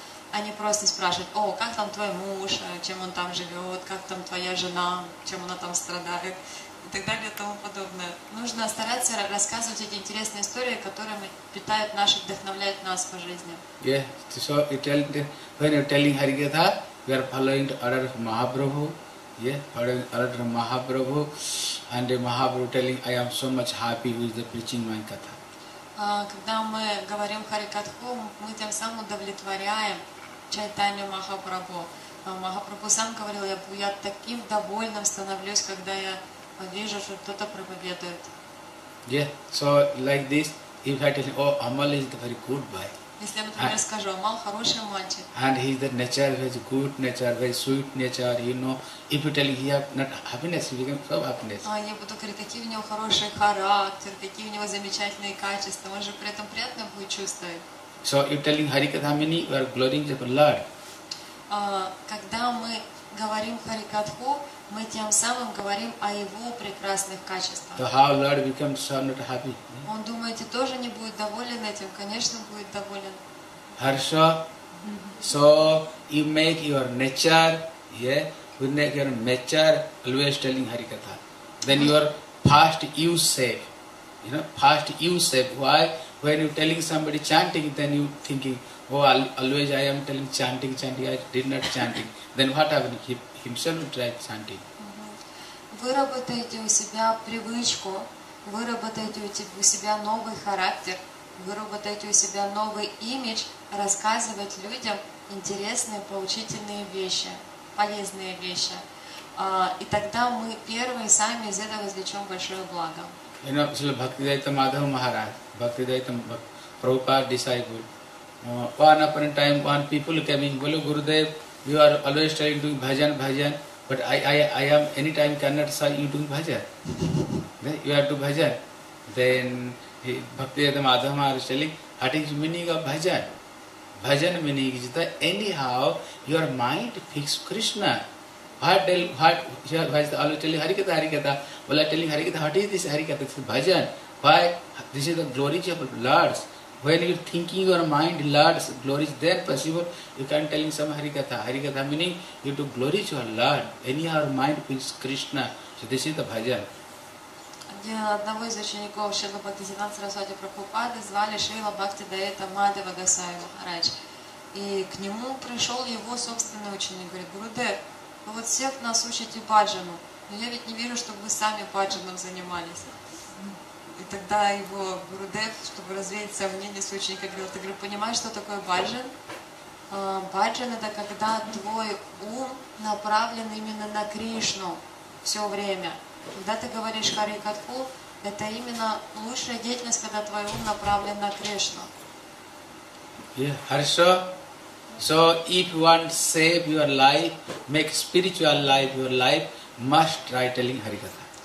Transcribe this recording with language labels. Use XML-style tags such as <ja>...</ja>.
<ru>а не просто спрашивать, о, как там твой муж, чем он там живет, как там твоя жена, чем она там страдает, и так далее, и тому подобное. Нужно стараться рассказывать эти интересные истории, которые питают нас, вдохновляют нас по жизни.</ru> <en>Yeah, so you tell, when you're telling Harikatha, we are following the order of Mahaprabhu, Mahaprabhu, and Mahaprabhu telling, I am so much happy with the preaching my katha.</en> <ru>Когда мы говорим Харикатху, мы тем самым удовлетворяем Чайтанью Махапрабху. Махапрабху сам говорил, я таким довольным становлюсь, когда я вижу, что кто-то проповедует.</ru> <en>Yeah, so like this, if I tell, oh, Amal is the very good boy.</en> <ru>Если я, например, скажу, Амал хороший мальчик.</ru> <en>And he is the nature, very good nature, very sweet nature, you know. If you tell him he has not happiness, he becomes so happiness.</en> <ru>Я буду говорить, какие у него хороший характер, какие у него замечательные качества. Он же при этом приятно будет чувствовать.</ru> <en>So you telling Harikatha many, you are glorying the Lord.</en> <ru>Когда мы говорим Харикатху, мы тем самым говорим о его прекрасных качествах.</ru> <en>So how Lord becomes so not happy?</en> <ru>Он, думаете, тоже не будет доволен этим? Конечно, будет доволен.</ru> <en>Harsha, so you make your nature, yeah, you make your nature always telling Harikatha. Then your past you save. You know, past you save. Why? When you telling somebody chanting, then you thinking, oh, always I am telling chanting, chanting, I did not chanting. Then what happened? He himself tried chanting.</en> <ru>Выработайте у себя привычку, выработайте у себя новый характер, выработайте у себя новый имидж, рассказывать людям интересные, поучительные вещи, полезные вещи. И тогда мы первые сами из этого извлечем большое благо.</ru> <en>You know, Srila Bhaktivedanta Madhava Maharaj, Bhaktivedanta Prabhupada disciple, one upon a time, one people coming, Bolo Gurudev, you are always trying to do bhajan, bhajan, but I am any time cannot say you doing bhajan. You have to bhajan. Then Bhaktivedanta Madhava Maharaj is telling, what is the meaning of bhajan? Bhajan meaning is that anyhow your mind fix Krishna. What is always telling Harikatha, Harikatha? Well, I am telling Harikatha, what is this Harikatha? This is bhajan. Why? This is the glories of Lords. When you are thinking your mind, Lords, glories there possible, you can tell him some Harikatha. Harikatha meaning you do glories of Lord. Anyhow, our mind feels Krishna. So this is the bhajan.</en> <ru>Одного из учеников Шрила Бхактисиддханта Сарасвати Прабхупады звали Шрила Бхактидаета Мадхава Госвами Махарадж. И к нему пришел его собственный ученик, говорит, Гурудев, вы вот всех нас учите баджану, но я ведь не верю, чтобы вы сами баджаном занимались. И тогда его Гурудев, чтобы развеять сомнения с учеником, говорил, ты говорю, понимаешь, что такое баджан? Баджан — это когда твой ум направлен именно на Кришну все время. Когда ты говоришь Харикатху, это именно лучшая деятельность, когда твой ум направлен на Кришну. Yeah, хорошо.</ru> <en>So if you want to save your life, make spiritual life your life, must try telling Харикатха.</en>